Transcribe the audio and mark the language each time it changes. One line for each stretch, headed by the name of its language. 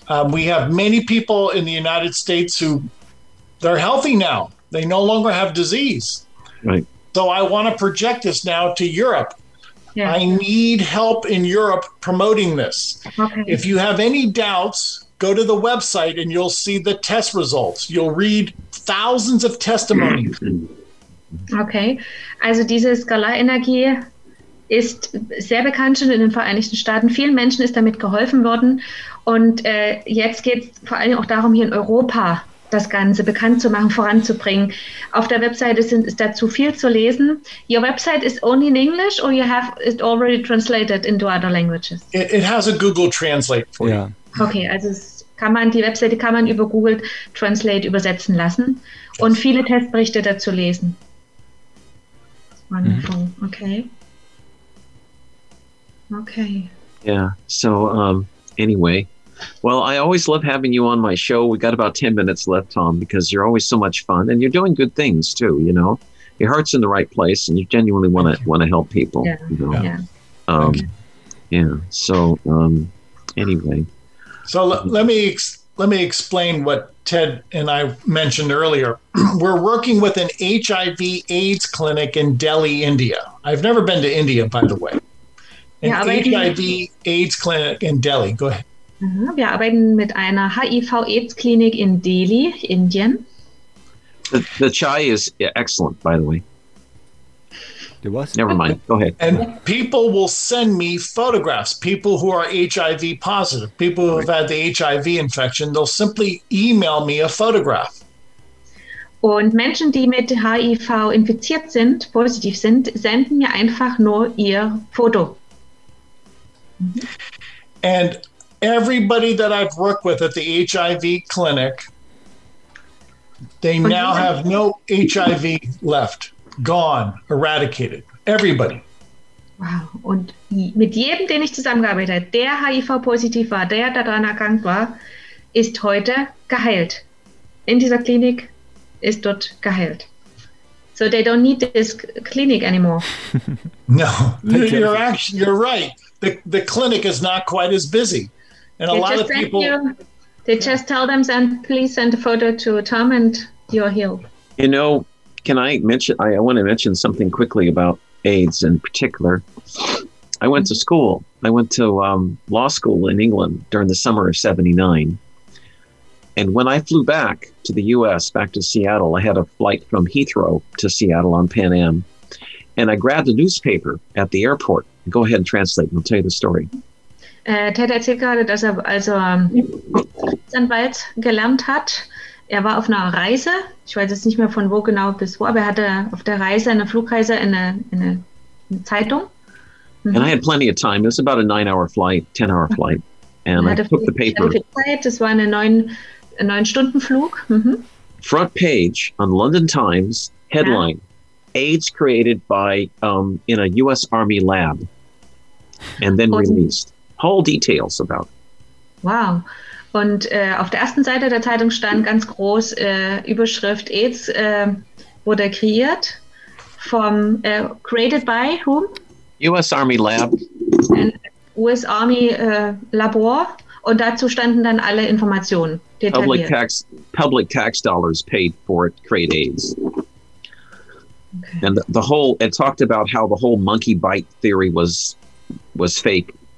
English: We have many people in the United States who they're healthy now. They no longer have disease. Right. So I want to project this now to Europe. Yeah. I need help in Europe promoting this. Okay. If you have any doubts, go to the website and you'll see the test results. You'll read thousands of testimonies.
German: Okay, also diese Skalarenergie ist sehr bekannt schon in den Vereinigten Staaten. Vielen Menschen ist damit geholfen worden. Und jetzt geht es vor allem auch darum, hier in Europa das Ganze bekannt zu machen, voranzubringen. Auf der Webseite ist dazu viel zu lesen.
English: Your website is only in English or you have it already translated into other languages? It has a Google Translate for you.
German: Okay, also die Webseite kann man über Google Translate übersetzen lassen und viele Testberichte dazu lesen.
English: Wonderful. Okay. Okay. Yeah. So, anyway, well, I always love having you on my show. We got about 10 minutes left, Tom, because you're always so much fun and you're doing good things too. You know, your heart's in the right place and you genuinely want to help people. Yeah. You know? Yeah. Yeah. So, anyway. So let me explain what Ted and I mentioned earlier. We're working with an HIV AIDS clinic in Delhi, India. I've never been to India, by the way. HIV AIDS clinic in Delhi. Go ahead.
German: Wir arbeiten mit einer HIV AIDS Klinik in Delhi, Indien.
English: The chai is excellent, by the way. It was? Never mind. Go ahead. And people will send me photographs, people who are HIV positive, people who have had the HIV infection. They'll simply email me a photograph. Und Menschen, die mit HIV infiziert sind, positiv sind, senden mir einfach nur ihr Foto. And everybody that I've worked with at the HIV clinic, they now have no HIV left, gone, eradicated. Everybody. Wow.
German: Und mit jedem, den ich zusammengearbeitet habe, der HIV positiv war, der daran erkrankt war, ist heute geheilt.
English: In dieser Klinik ist dort geheilt. So they don't need this clinic anymore. No, you're actually, you're right. The clinic is not quite as busy. And they a lot of people... They just tell them, please send a photo to Tom and you're healed. You know, can I mention, I want to mention something quickly about AIDS in particular. I went to school. I went to law school in England during the summer of 79. And when I flew back to the U.S., back to Seattle, I had a flight from Heathrow to Seattle on Pan Am. And I grabbed a newspaper at the airport. Go ahead and translate and I'll tell you the story.
German: Ted erzählt gerade, dass er also Rechtsanwalt gelernt hat. Er war auf einer Reise. Ich weiß jetzt nicht mehr von wo genau bis wo, aber er hatte auf der Reise, eine Flugreise, eine Zeitung. Mhm.
English: And I had plenty of time. It was about a 9-hour flight, 10-hour flight. And I took the paper.
German: Das war ein 9-Stunden Flug.
English: Mhm. Front page on London Times headline. Ja. AIDS created by in a US Army lab. And then released. All details about. Wow.
German: Und auf der ersten Seite der Zeitung stand ganz groß Überschrift AIDS wurde kreiert vom created by whom?
English: US Army Lab.
German: Ein US Army Labor und dazu standen dann alle Informationen detailliert.
English: Public tax dollars paid for it create AIDS. Okay. And the whole it talked about how the whole monkey bite theory was fake.